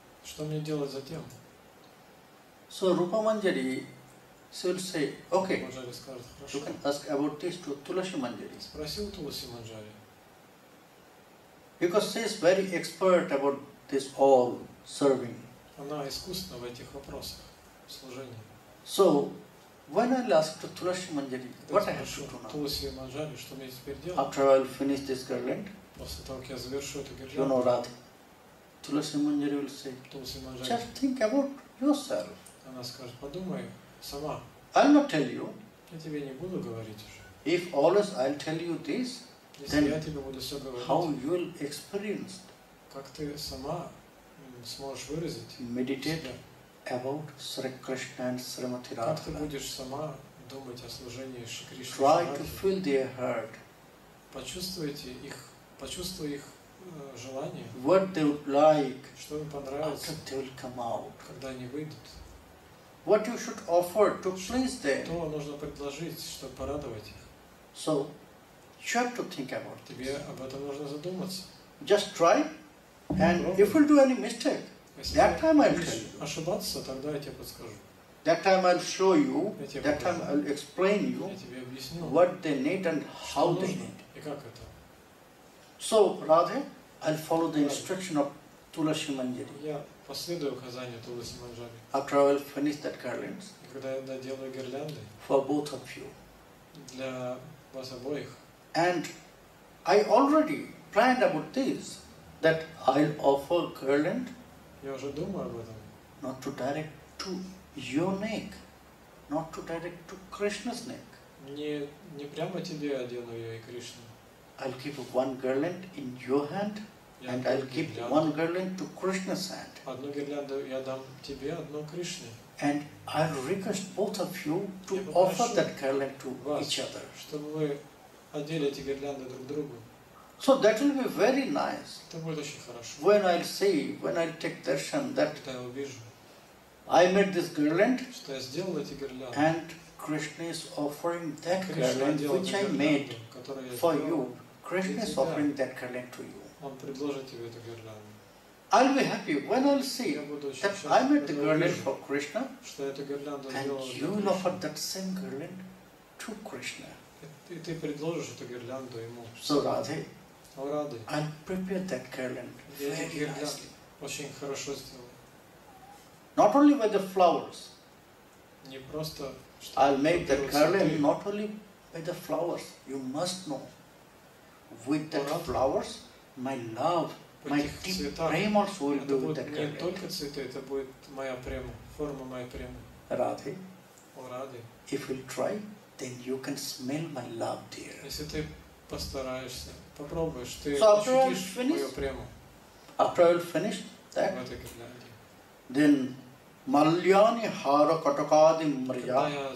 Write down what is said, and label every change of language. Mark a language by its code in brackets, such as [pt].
[ru] Что мне делать затем? [en] So Rupa Manjari will say, okay, [ru] скажет, [en] you can ask about this to Tulasi Manjari. [ru] Спросил Tulasi Manjari. [en] Because she is very expert about this all serving. [ru] Она искусна в этих вопросах служения. [en] So when I'll ask to Tulasi Manjari, what I have to do now? [ru] Tulasi Manjari, что мне теперь делать? [en] After I'll finish this garland. [ru] После того, как я завершу эту гирлянду, [en] you know, Radha, Tulasi Manjari will say, Tulasi Manjari, just think about yourself. [ru] Она скажет, подумай сама. [en] I'll not tell you. [ru] Я тебе не буду говорить уже. [en] If always I'll tell you this, [ru] если я тебе буду все говорить, [en] how you will experience? [ru] Как ты сама сможешь выразить? [en] Meditate about Sri Krishna and Srimati Radha. [ru] Как ты будешь сама думать о служении Шри Кришне? [en] Try to feel their heart. [ru] Почувствуйте их. Почувствуй их желание. [en] What they would like, [ru] что им понравилось, [en] after they will come out. [ru] Когда они выйдут. [en] What you should offer to please them. [ru] Что нужно предложить, чтобы порадовать их. [en] So, you have to think about this. [ru] Тебе об этом нужно задуматься. [en] Just try, and if you do any mistake, that time I'll tell you. [ru] Ошибаться, тогда я тебе подскажу. [en] That time I'll show you. That time I'll explain you. [ru] Я тебе объясню. [en] What they need and how they need. [ru] И как это? [en] So, Radhe, I'll follow the instruction of Tulasi Manjari. [ru] Я последую указанию Tulasi Manjari. [en] After I will finish that garlands. [ru] Когда я доделаю гирлянды. [en] For both of you. [ru] Для вас обоих. [en] And I already planned about this, that I'll offer garland. [ru] Я уже думаю об этом. [en] Not to direct to your neck, not to direct to Krishna's neck. [ru] Не прямо тебе одену я и Кришну. [en] I'll keep one garland in your hand, and I'll keep one garland to Krishna's hand. [ru] Одну гирлянду я дам тебе, одну Кришне. [en] And I'll request both of you to offer that garland to each other. [ru] Чтобы вы одели эти гирлянды друг другу. [en] So that will be very nice. [ru] Это будет очень хорошо. [en] When I'll see, when I'll take darshan, that [ru] когда я увижу, [en] I made this garland. [ru] Что я сделал эти гирлянды. [en] And Krishna is offering that garland which I made for you. Krishna is offering that garland to you. [ru] Он предложит тебе эту гирлянду. [en] I'll be happy when I'll see that I made the garland for Krishna, [ru] что эту гирлянду сделал, [en] and you will offer that same garland to Krishna. [ru] И ты предложишь эту гирлянду ему. [en] So Radhe, oh, Radhe, I'll prepare that garland very nicely. [ru] Очень хорошо сделал. [en] Not only with the flowers. [ru] Не просто. [en] I'll make that garland not only with the flowers, you must know. With the flowers, my love, my deep prema also will be with that garland. [ru] Не только цветы, это будет моя према, форма моей премы. [en] Radhe. [ru] О, Radhe. [en] If you'll try, then you can smell my love, dear. [ru] Если ты постараешься, попробуешь, ты ощутишь мою прему. [en] After I'll finish that, then [sa] Malyani Hara Katakadi Mriya.